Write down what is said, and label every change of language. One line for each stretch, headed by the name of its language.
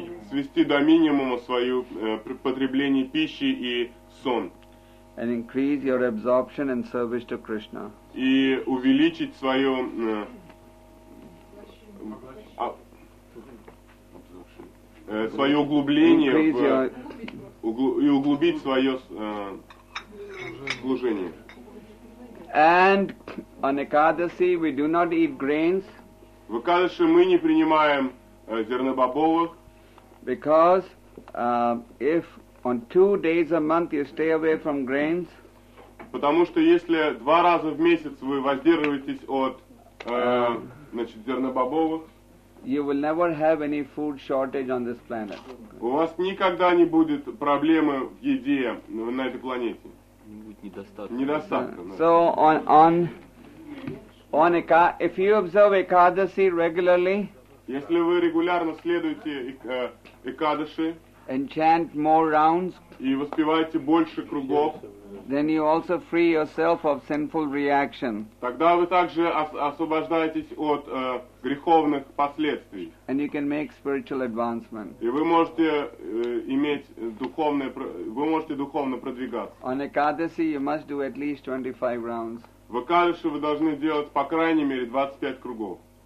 Russian: свести до минимума свое потребление пищи и сон.
English: And increase your absorption and service to Krishna.
Russian: И увеличить свое свое углубление и углубить свое служение.
English: And on Ekadasi we do not eat grains.
Russian: В Экадаши мы не принимаем зернобобовых.
English: Because if on 2 days a month you stay away from grains.
Russian: Потому что если два раза в месяц вы воздерживаетесь от зернобобовых,
English: you will never have any food shortage on this planet.
Russian: У вас никогда не будет проблемы в еде на этой планете.
English: So on Eka, if you observe Ekadasi regularly,
Russian: если вы регулярно следуете Экадаши,
English: and chant more rounds,
Russian: и воспеваете больше кругов,
English: then you also free yourself of sinful reaction.
Russian: Тогда вы также освобождаетесь от греховных последствий.
English: And you can make spiritual advancement.
Russian: И вы можете духовно продвигаться.
English: On Ekadasi you must do at least 25 rounds.
Russian: В Экадаши вы должны делать по крайней мере 25 кругов.